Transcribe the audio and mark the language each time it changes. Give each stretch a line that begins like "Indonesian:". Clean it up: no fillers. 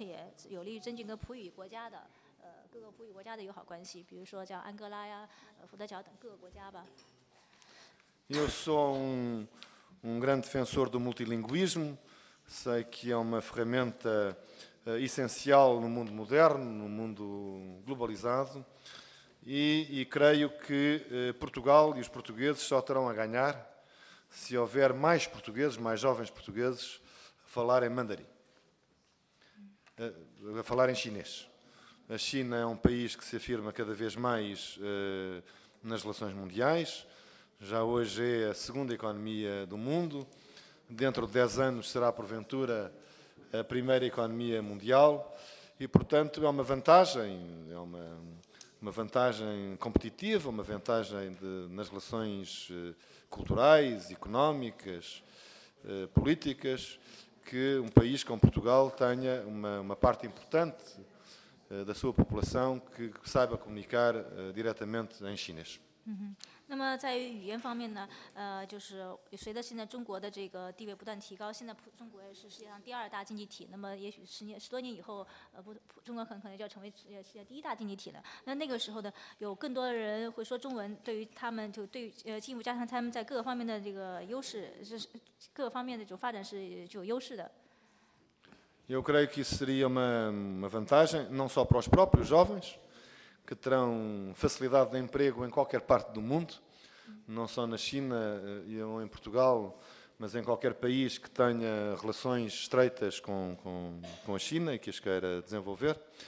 Chinese: 因为我们认为在就是进一步推广这种普语教育呢，不仅是有利于进一步增进和葡萄牙的友好关系，而且也有利于增进跟葡语国家的
Portuguese: Eu sou um grande defensor do multilinguismo, sei que é uma ferramenta essencial no mundo moderno, no mundo globalizado, e creio que Portugal e os portugueses só terão a ganhar se houver mais portugueses, mais jovens portugueses, a falarem chinês. A China é um país que se afirma cada vez mais nas relações mundiais, já hoje é a segunda economia do mundo, dentro de 10 anos será, porventura, a primeira economia mundial, e, portanto, é uma vantagem competitiva, uma vantagem nas relações culturais, económicas, políticas, que um país como Portugal tenha uma parte importante da sua população que saiba comunicar diretamente em chinês.
Chinese: 那么在语言方面呢，就是随着现在中国的这个地位不断提高，现在中国也是世界上第二大经济体，那么也许十多年以后，中国可能就要成为世界第一大经济体了。那那个时候的有更多的人会说中文，对于他们就对于进一步加强他们在各个方面的这个优势，是各方面的就发展是就有优势的。
Portuguese: Eu creio que isso seria uma vantagem não só para os próprios jovens. Que terão facilidade de emprego em qualquer parte do mundo, não só na China ou em Portugal, mas em qualquer país que tenha relações estreitas com a China e que as queira desenvolver.